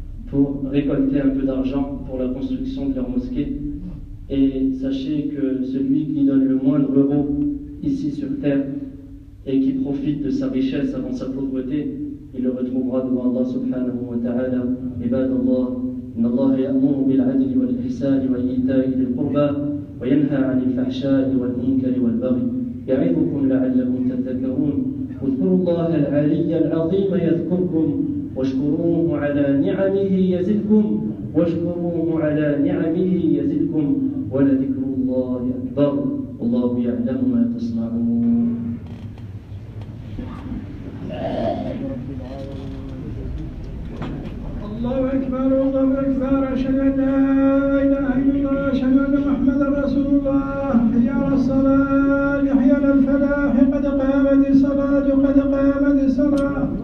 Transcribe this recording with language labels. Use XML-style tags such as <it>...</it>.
<fr>pour récolter un peu d'argent pour la construction de leur mosquée et sachez que celui qui donne le moindre euro ici sur terre et qui profite de sa richesse avant sa pauvreté, il le retrouvera devant Allah subhanahu wa ta'ala.</fr> <ar>Ibad Allah, inna Allah ya'muru bil adli wal ihsani wa yita'i lil qurba wa yanha 'anil fahsha'i wal munkari wal baghi ya'idhukum la'allakum tadhakkarun اذكروا الله العلي العظيم يذكركم واشكروه على نعمه يزدكم واشكروه على نعمه يزدكم ولذكر الله أكبر والله يعلم ما تصنعون. الله أكبر الله أكبر أشهد أن لا إله إلا الله أشهد أن محمدا رسول الله حي على الصلاة حي على الفلاح قد قامت الصلاة قد قامت الصلاة.</ar>